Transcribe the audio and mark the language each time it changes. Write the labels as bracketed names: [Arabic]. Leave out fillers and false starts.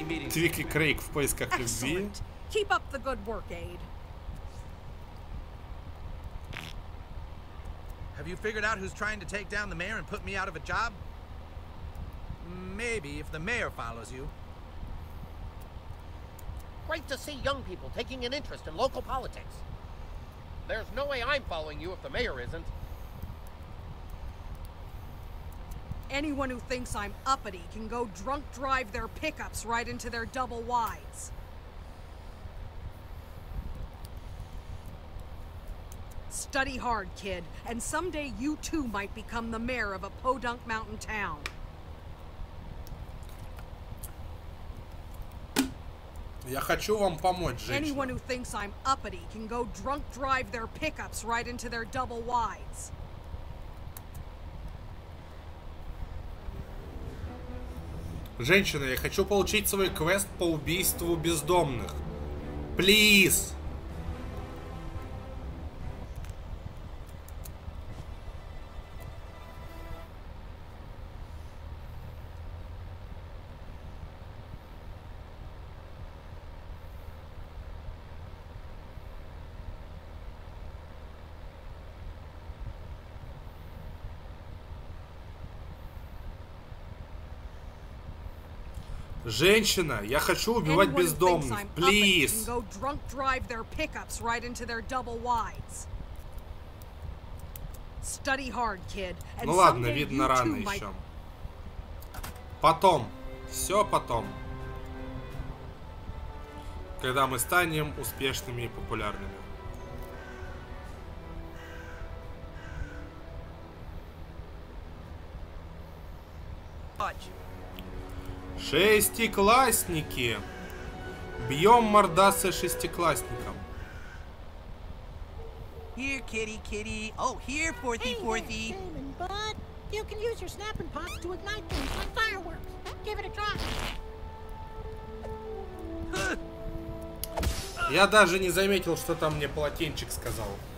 [Russian] Твик и Крейг в поисках любви. [English] Keep up the good work, Aid. Have you figured out who's trying to take down the mayor and put me out of a job? Maybe if the mayor follows you. Great to see young people taking an interest in local politics. There's no way I'm following you if the mayor isn't. Anyone who thinks I'm uppity can go drunk drive their pickups right into their double wides. Study hard, kid, and someday you too might become the mayor of a podunk mountain town. [Russian] Я хочу вам помочь, женщина. [English] Anyone who thinks I'm uppity can go drunk drive their pickups right into their double wides. [Russian] Женщина, я хочу получить свой квест по убийству бездомных. [English] Please. [Russian] Женщина, я хочу убивать бездомных. [English] Плиз. Go drunk drive their pickups right into their double wides. Study hard, kid. [Russian] Ну ладно, видно рано еще. Потом. Все потом. Когда мы станем успешными и популярными. Шестиклассники. Бьем мордасы шестиклассникам. [English] Here, kitty, kitty. Oh, here, Forthy, Forthy. Hey, Damon, bud. You can use your snapping pots to ignite things like fireworks. Give it a try. [Russian] Я даже не заметил, что там мне полотенчик сказал.